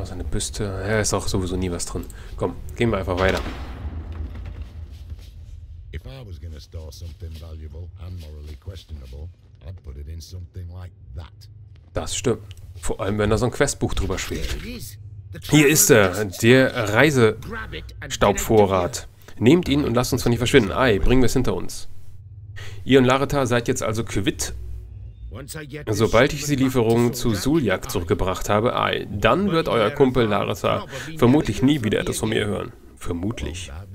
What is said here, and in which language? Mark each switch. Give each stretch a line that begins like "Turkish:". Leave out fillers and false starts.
German: Büste. Ja, ist auch sowieso nie was drin. Komm, gehen wir einfach weiter.
English: If I was gonna store something valuable and morally questionable, I'd put it in something like that.
German: Das stimmt. Vor allem, wenn da so ein Questbuch drüber schwebt. Hier ist er, der Reisestaubvorrat. Nehmt ihn und lasst uns von hier verschwinden. Ei, bringen wir es hinter uns. Ihr und Larita seid jetzt also quitt. Sobald ich die Lieferung zu Suljak zurückgebracht habe, ei, dann wird euer Kumpel Larissa vermutlich nie wieder etwas von mir hören. Vermutlich.